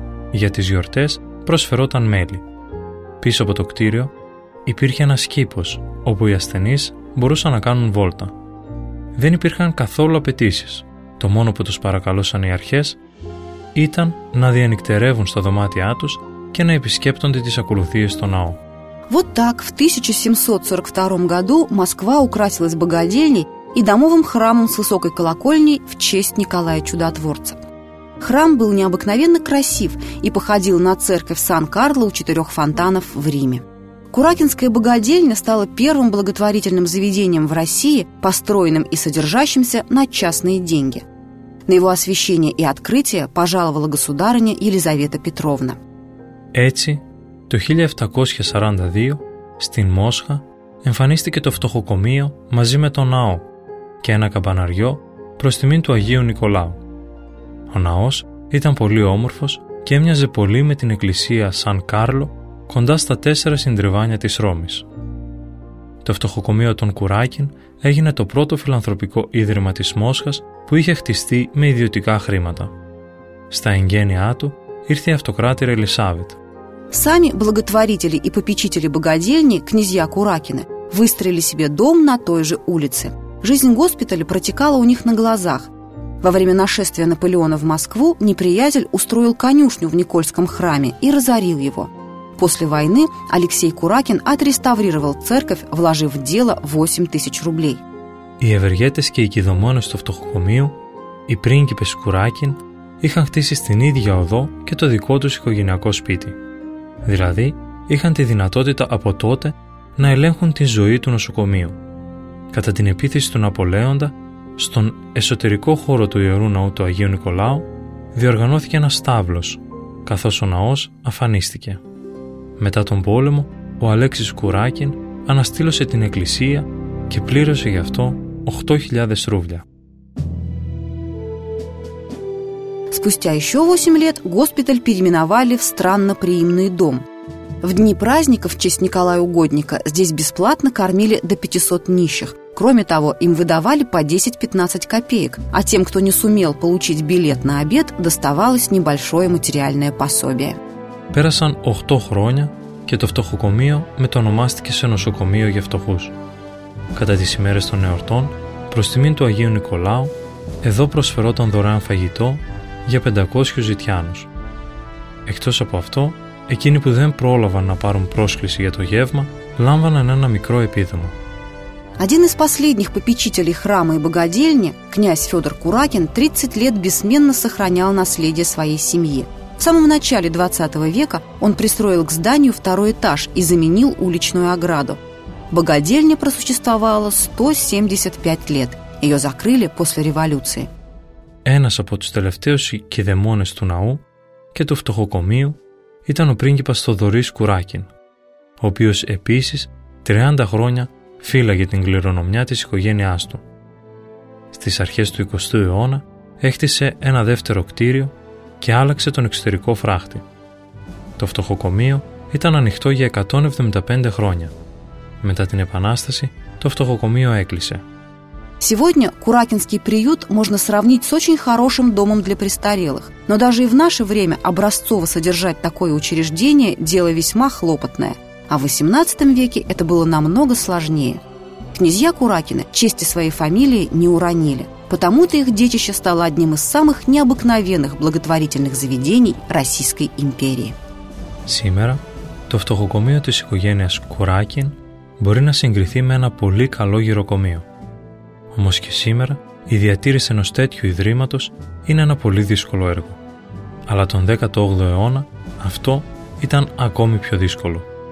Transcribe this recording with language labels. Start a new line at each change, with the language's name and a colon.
Greek: Για τις γιορτές προσφερόταν μέλι. Πίσω από το κτίριο υπήρχε ένας κήπος όπου οι ασθενείς μπορούσαν να κάνουν βόλτα. Δεν υπήρχαν καθόλου απαιτήσεις. Το μόνο που τους παρακαλούσαν οι αρχές ήταν να διανυκτερεύουν στα δωμάτια τους και να επισκέπτονται τις ακολουθίες στο ναό.
Russian: Вот так в 1742 году Москва украсилась богадельней и домовым храмом с высокой колокольней в честь Николая Чудотворца. Храм был необыкновенно красив и походил на церковь Сан-Карло у четырех фонтанов в Риме. Куракинская богадельня стала первым благотворительным заведением в России, построенным и содержащимся на частные деньги. На его освящение и открытие пожаловала государыня Елизавета Петровна. Эти...
Greek: Το 1742 στην Μόσχα εμφανίστηκε το φτωχοκομείο μαζί με τον ναό και ένα καμπαναριό προς τιμήν του Αγίου Νικολάου. Ο ναός ήταν πολύ όμορφος και έμοιαζε πολύ με την εκκλησία Σαν Κάρλο κοντά στα τέσσερα συντριβάνια της Ρώμης. Το φτωχοκομείο των Κουράκιν έγινε το πρώτο φιλανθρωπικό ίδρυμα της Μόσχας που είχε χτιστεί με ιδιωτικά χρήματα. Στα εγγένειά του ήρθε η αυτοκράτηρα Ελισάβετ.
Russian: Сами благотворители и попечители богадельни, князья Куракины, выстроили себе дом на той же улице. Жизнь госпиталя протекала у них на глазах. Во время нашествия Наполеона в Москву неприятель устроил конюшню в Никольском храме и разорил его. После войны Алексей Куракин отреставрировал церковь, вложив в дело 8 тысяч рублей.
Greek: Οι ευεργέτες και οι κηδωμόνες του φτωχοκομείου, οι πρίγκιπες Κουράκιν, είχαν χτίσει στην ίδια οδό και το δικό τους οικογενειακό σπίτι. Δηλαδή, είχαν τη δυνατότητα από τότε να ελέγχουν τη ζωή του νοσοκομείου. Κατά την επίθεση του Ναπολέοντα, στον εσωτερικό χώρο του Ιερού Ναού του Αγίου Νικολάου, διοργανώθηκε ένας στάβλος, καθώς ο ναός αφανίστηκε. Μετά τον πόλεμο, ο Αλέξης Κουράκιν αναστήλωσε την εκκλησία και πλήρωσε γι' αυτό 8.000 ρούβλια.
Russian: Спустя еще 8 лет госпиталь переименовали в странноприимный дом. В дни праздников в честь Николая Угодника здесь бесплатно кормили до 500 нищих. Кроме того, им выдавали по 10-15 копеек, а тем, кто не сумел получить билет на обед, доставалось небольшое материальное пособие.
Greek: Пересан 8 хроня, και το φτωχοκομείο μετονομάστηκε σε νοσοκομείο για φτωχούς. Κατά τις ημέρες των εορτών, προς τιμήν του Αγίου Νικολάου, εδώ προσφερόταν δωρεάν φαγητό για 500 ζητιάνους. Εκτός από αυτό, εκείνοι που δεν πρόλαβαν να πάρουν πρόσκληση για το γεύμα, λάμβαναν ένα μικρό επίδομα.
Russian: Один из последних попечителей храма и богадельни, князь Фёдор Куракин, 30 лет бессменно сохранял наследие своей семьи. В самом начале 20 века он пристроил к зданию второй этаж и заменил уличную ограду. Богадельня просуществовала 175 лет. Её закрыли после революции.
Greek: Ένας από τους τελευταίους κηδεμόνες του ναού και του φτωχοκομείου ήταν ο πρίγκιπας Θοδωρής Κουράκιν, ο οποίος επίσης 30 χρόνια φύλαγε την κληρονομιά της οικογένειάς του. Στις αρχές του 20ου αιώνα έχτισε ένα δεύτερο κτίριο και άλλαξε τον εξωτερικό φράχτη. Το φτωχοκομείο ήταν ανοιχτό για 175 χρόνια. Μετά την Επανάσταση το φτωχοκομείο έκλεισε.
Russian: Сегодня Куракинский приют можно сравнить с очень хорошим домом для престарелых. Но даже и в наше время образцово содержать такое учреждение – дело весьма хлопотное. А в 18 веке это было намного сложнее. Князья Куракины чести своей фамилии не уронили. Потому-то их детище стало одним из самых необыкновенных благотворительных заведений Российской империи. Сегодня
Greek: то фтохокомείο της οικογένειας Куракин
Russian: может
Greek: συγκριθεί με ένα πολύ καλό γυροκομείο. Όμως και σήμερα, η διατήρηση ενός τέτοιου ιδρύματος είναι ένα πολύ δύσκολο έργο. Αλλά τον 18ο αιώνα, αυτό ήταν ακόμη πιο δύσκολο.